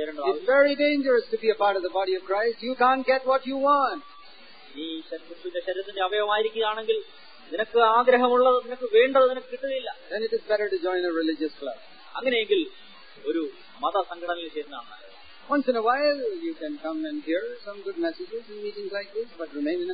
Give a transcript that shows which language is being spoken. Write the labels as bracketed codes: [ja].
[en] It's very dangerous to be a part of the body of Christ. You can't get what you want. [ml] ഈ ശരീരത്തിന്റെ അവയവമായിരിക്കുകയാണെങ്കിൽ നിനക്ക് ആഗ്രഹമുള്ളത് നിനക്ക് വേണ്ടത് നിനക്ക് കിട്ടുകയില്ല. [en] Then it is better to join a religious club. [ml] അങ്ങനെയെങ്കിൽ ഒരു മതസംഘടനയിൽ ചേരുന്നതാണ്. [en] Once in a while, you can come and hear some good messages in meetings like this, but remain in a